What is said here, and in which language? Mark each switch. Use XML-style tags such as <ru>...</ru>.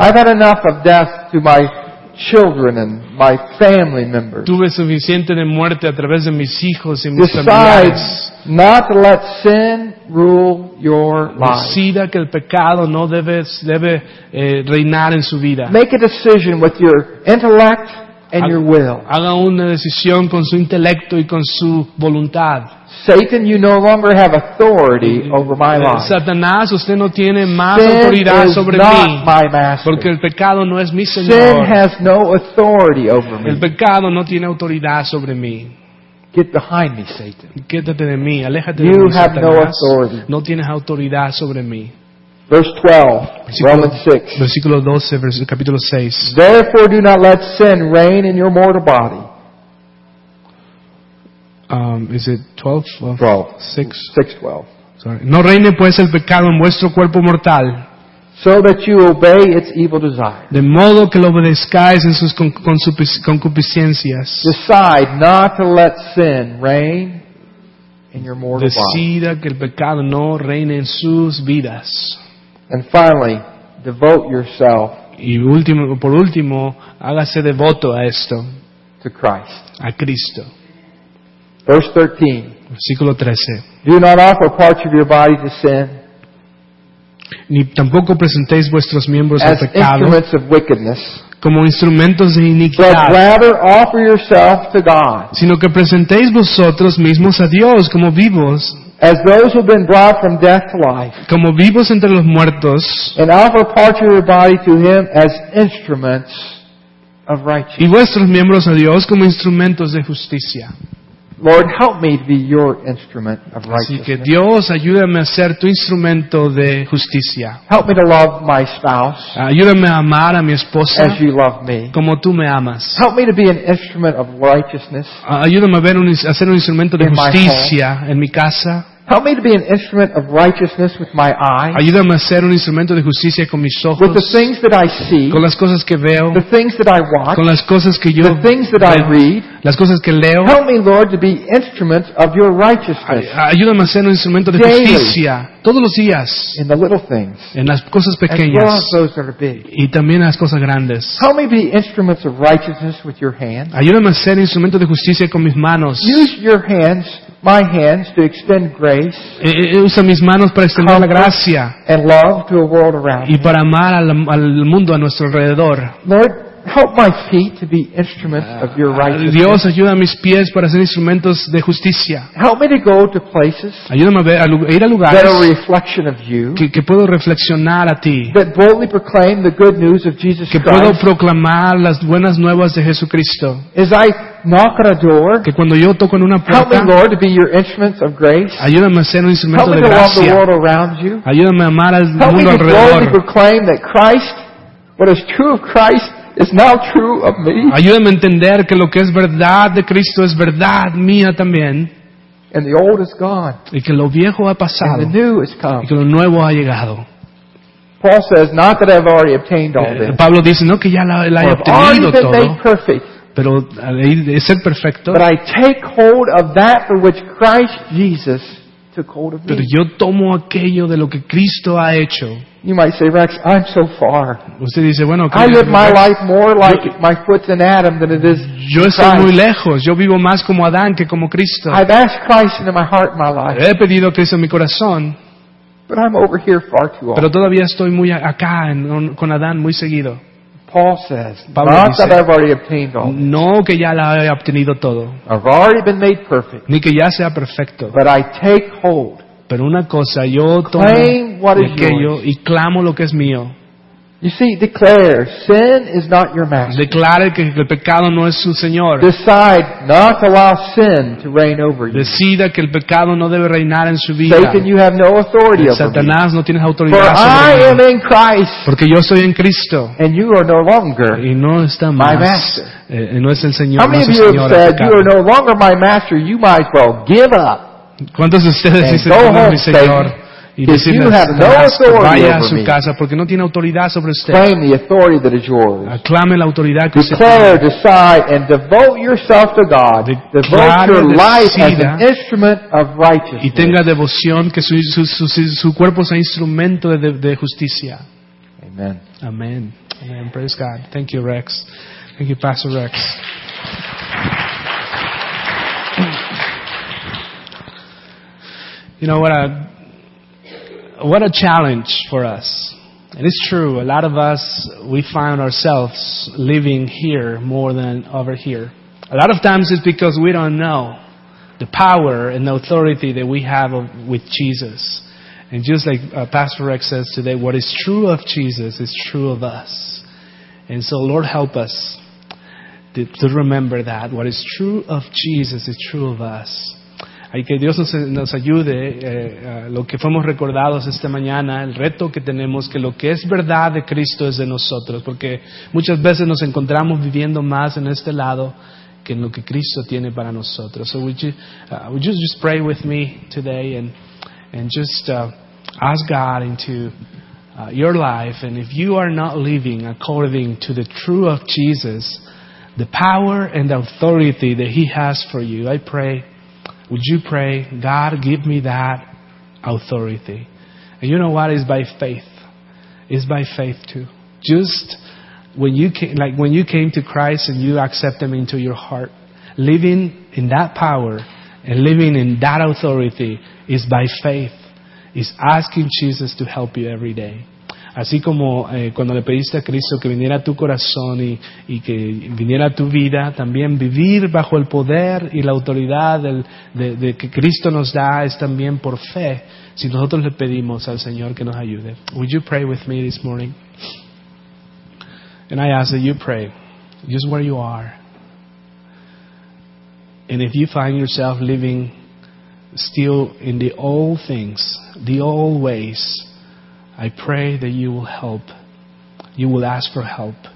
<en>I've had enough of death to my children and my family members.</en> <es>Tuve suficiente de muerte a través de mis hijos y mis</es> <en>decide</en> <es>familiares.</es> <en>Not to let sin rule your life.</en> <es>Decida que el pecado no debe reinar en su vida.</es> <en>Make a decision with your intellect and your will.</en> <es>Haga una decisión con su intelecto y con su voluntad.</es> <en>Satan, you no longer have authority over my life.</en> <es>Satanás, usted no tiene más autoridad sobre mí.</es> <en>Sin is not my master.</en> <es>Porque el pecado no es mi señor.</es> <en>Sin has no authority over me.</en> <es>El pecado no tiene autoridad sobre mí.</es> <en>Get behind me, Satan.</en> <es>Quédate de mí, aléjate de mí.</es> <en>You have no authority.</en> <es>No tienes autoridad sobre mí.</es> <en>Verse 12, Romans 6.</en> <es>Versículo 12, capítulo 6.</es> <en>Therefore do not let sin reign in your mortal body. Is it 12? 12. 6:12. Sorry.</en> <es>No reine pues el pecado en vuestro cuerpo mortal.</es> <en>So that you obey its evil desire.</en> <es>De modo que lo obedezcáis en sus concupiscencias.</es> <en>Decide not to let sin reign in your mortal body.</en> <es>Decida que el pecado no reine en sus vidas.</es> <en>And finally, devote yourself.</en> <es>Y último, por último, hágase devoto a esto.</es> <en>To Christ.</en> <es>A Cristo.</es> <en>Verse 13.</en> <es>Versículo 13.</es> <en>Do not offer parts of your body to sin.</en> <es>Ni tampoco presentéis vuestros miembros al pecado.</es> <en>As instruments of wickedness.</en> <es>Como instrumentos de iniquidad.</es> <en>But rather offer yourself to God.</en> <es>Sino que presentéis vosotros mismos a Dios como vivos.</es> <en>As those who have been brought from death to life,</en> <es>como vivos entre los muertos,</es> <en>and offer parts of your body to Him as instruments of righteousness.</en> <es>Y vuestros miembros a Dios como instrumentos de justicia.</es> <en>Lord, help me be your instrument of righteousness.</en> <es>Así que Dios, ayúdame a ser tu instrumento de justicia.</es> <en>Help me to love my spouse.</en> <es>Ayúdame a amar a mi esposa.</es> <en>As you love me.</en> <es>Como tú me amas.</es> <en>Help me to be an instrument of righteousness.</en> <es>Ayúdame a ser un instrumento de justicia en mi casa.</es> <en>Help me to be an instrument of righteousness with my eyes.</en> <es>Ayúdame a ser un instrumento de justicia con mis ojos.</es> <en>With the things that I see.</en> <es>Con las cosas que veo.</es> <en>The things that I watch.</en> <es>Con las cosas que yo veo.</es> <en>The things that I read.</en> <es>Las cosas que leo.</es> <en>Help me, Lord, to be instruments of your righteousness.</en> <es>Ayúdame a ser un instrumento de justicia. Todos los días.</es> <en>In the little things.</en> <es>En las cosas pequeñas.</es> <en>As well as those that are big.</en> <es>Y también en las cosas grandes.</es> <en>Help me be instruments of righteousness with your hands.</en> <es>Ayúdame a ser instrumento de justicia con mis manos.</es> <en>Use your hands. My hands to extend grace.</en> <es>Usa mis manos para extender la gracia.</es> <en>And love to a world around.</en> <es>Y para amar al mundo a nuestro alrededor.</es> <en>Lord, help my feet to be instruments of your righteousness.</en> <es>Dios, ayuda a mis pies para ser instrumentos de justicia.</es> <en>Help me to go to places.</en> <es>Ayúdame a ir a lugares.</es> <en>That are a reflection of you.</en> <es>Que puedo reflexionar a ti.</es> <en>That boldly proclaim the good news of Jesus Christ.</en> <es>Que puedo proclamar las buenas nuevas de Jesucristo.</es> <en>As I knock at a door.</en> <es>Que cuando yo toco en una puerta.</es> <en>Help me, Lord, to be your instruments of grace.</en> <es>Ayúdame a ser un instrumento de gracia.</es> <en>Help me to love the world around you.</en> <es>Ayúdame a amar al mundo alrededor.</es> <en>Help me to boldly proclaim that Christ, what is true of Christ. It's now true of me.</en> <es>Ayúdame a entender que lo que es verdad de Cristo es verdad mía también.</es> <en>And the old is gone.</en> <es>Y que lo viejo ha pasado.</es> <en>And the new is come.</en> <es>Y que lo nuevo ha llegado.</es> <en>Paul says, not that I've already obtained all this.</en> <es>Pablo dice, no que ya la he obtenido todo.</es> <en>Already been made perfect.</en> <es>Pero ser perfecto.</es> <en>But I take hold of that for which Christ Jesus.</en> <es>Pero yo tomo aquello de lo que Cristo ha hecho.</es> <en>You might say, Rex, I'm so far.</en> <es>Usted dice, bueno,</es> <en>I live my life more like my foot's in Adam than it is.</en> <es>Yo estoy muy lejos. Yo vivo más como Adán que como Cristo.</es> <en>I've asked Christ into my heart, my life.</en> <es>He pedido a Cristo en mi corazón.</es> <en>But I'm over here far too often.</en> <es>Pero todavía estoy muy acá con Adán muy seguido.</es> <en>Paul says, Pablo not</en> <es>dice,</es> <en>that I've already obtained all this.</en> <es>No que ya la he obtenido todo.</es> <en>I've already been made perfect.</en> <es>Ni que ya sea perfecto.</es> <en>But I take hold.</en> <es>Pero una cosa, yo tomo de aquello y clamo lo que es mío.</es> <en>You see, declare, sin is not your master.</en> <es>Declare que el pecado no es su señor.</es> <en>Decide not to allow sin to reign over you.</en> <es>Decida que el pecado no debe reinar en su vida.</es> <en>Satan, you have no authority over me.</en> <es>Satanás, no tienes autoridad sobre mí.</es> <en>For I am in Christ.</en> <es>Porque yo soy en Cristo.</es> <en>And you are no longer</en> <es>y no está más.</es> <en>My master.</en> <es>No es el señor.</es> <en>How many of you have said you are no longer my master? You might as well give up.</en> <es>¿Cuántos de ustedes dicen no es mi señor?</es> <en>If you have no authority</en> <es>vaya a su casa porque no tiene autoridad sobre usted.</es> <en>Claim the authority that is yours.</en> <es>Aclame la autoridad que</es> <en>declare, decide, and devote yourself to God. Devote your life as an instrument of righteousness.</en> <es>Y tenga devoción que su cuerpo sea instrumento de justicia.</es> <en>Amen. Amen. Amen. Praise God. Thank you, Rex. Thank you, Pastor Rex. You know what? What a challenge for us. And it's true, a lot of us, we find ourselves living here more than over here. A lot of times it's because we don't know the power and the authority that we have with Jesus. And just like Pastor Rex says today, what is true of Jesus is true of us. And so Lord, help us to remember that. What is true of Jesus is true of us.</en> <es>Y que Dios nos ayude, lo que fuimos recordados esta mañana, el reto que tenemos, que lo que es verdad de Cristo es de nosotros. Porque muchas veces nos encontramos viviendo más en este lado que en lo que Cristo tiene para nosotros.</es> <en>So would you just pray with me today and just ask God into your life. And if you are not living according to the truth of Jesus, the power and the authority that He has for you, I pray. Would you pray, God, give me that authority? And you know what? It's by faith. It's by faith too. Just when you came, like when you came to Christ and you accept Him into your heart, living in that power and living in that authority is by faith. It's asking Jesus to help you every day.</en> <es>Así como cuando le pediste a Cristo que viniera a tu corazón y que viniera a tu vida, también vivir bajo el poder y la autoridad de que Cristo nos da es también por fe, si nosotros le pedimos al Señor que nos ayude.</es> <en>Would you pray with me this morning? And I ask that you pray, just where you are. And if you find yourself living still in the old things, the old ways, I pray that you will help. You will ask for help.</en>